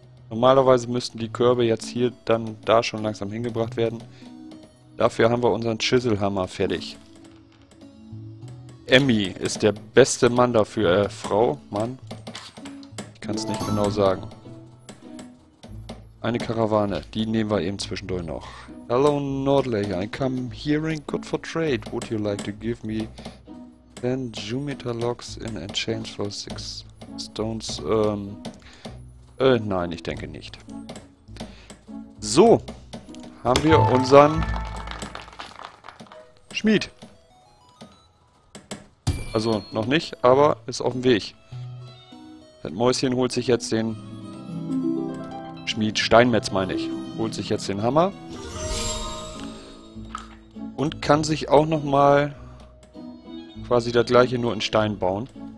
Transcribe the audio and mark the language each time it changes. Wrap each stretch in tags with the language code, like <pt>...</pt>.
<de>Normalerweise müssten die Körbe jetzt hier dann da schon langsam hingebracht werden. Dafür haben wir unseren Chiselhammer fertig. Emmy ist der beste Mann dafür. Frau, Mann... Kann es nicht genau sagen. Eine Karawane, die nehmen wir eben zwischendurch noch.</de> <en>Hello Nordley, I come hearing good for trade. Would you like to give me 10 Jumita Logs in exchange for 6 stones?</en> <de>Nein, ich denke nicht. So, haben wir unseren Schmied. Also noch nicht, aber ist auf dem Weg. Das Mäuschen holt sich jetzt den Schmied, Steinmetz meine ich, holt sich jetzt den Hammer und kann sich auch nochmal quasi das gleiche nur in Stein bauen.</de>